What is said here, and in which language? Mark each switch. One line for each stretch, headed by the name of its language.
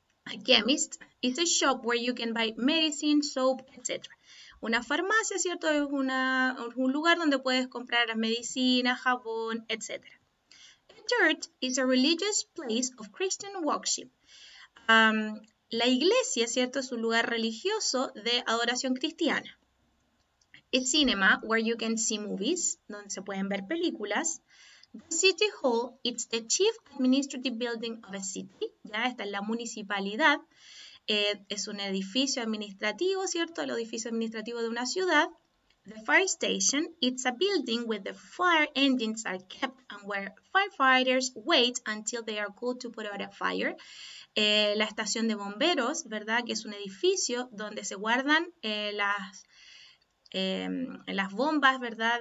English: A chemist is a shop where you can buy medicine, soap, etc.
Spanish: Una farmacia, ¿cierto? Es un lugar donde puedes comprar medicina, jabón, etc.
English: A church is a religious place of Christian worship.
Spanish: La iglesia, ¿cierto? Es un lugar religioso de adoración cristiana.
English: A cinema where you can see movies,
Spanish: donde se pueden ver películas.
English: The city hall, it's the chief administrative building of a city.
Spanish: Ya está en la municipalidad. Es un edificio administrativo, ¿cierto? El edificio administrativo de una ciudad.
English: The fire station, it's a building where the fire engines are kept and where firefighters wait until they are called to put out a fire.
Spanish: La estación de bomberos, ¿verdad? Que es un edificio donde se guardan las bombas, ¿verdad?